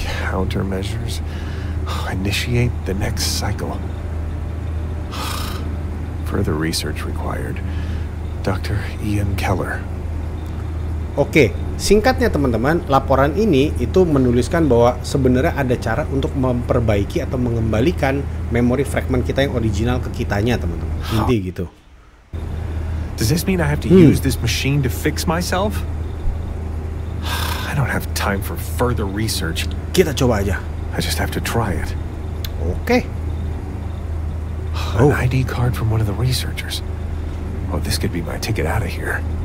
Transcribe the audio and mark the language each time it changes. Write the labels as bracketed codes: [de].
[en] Countermeasures. Initiate the next cycle. Further research required. Dr. Ian Keller. [id] Oke, singkatnya teman-teman, laporan ini itu menuliskan bahwa sebenarnya ada cara untuk memperbaiki atau mengembalikan memory fragment kita yang original ke kitanya, teman-teman. Inti gitu. [en] Does this mean I have to use this machine to fix myself? I don't have time for further research. [id] Kita coba aja. [en] I just have to try it. [id] Oke. [en] An ID card from one of the researchers. Oh, this could be my ticket out of here.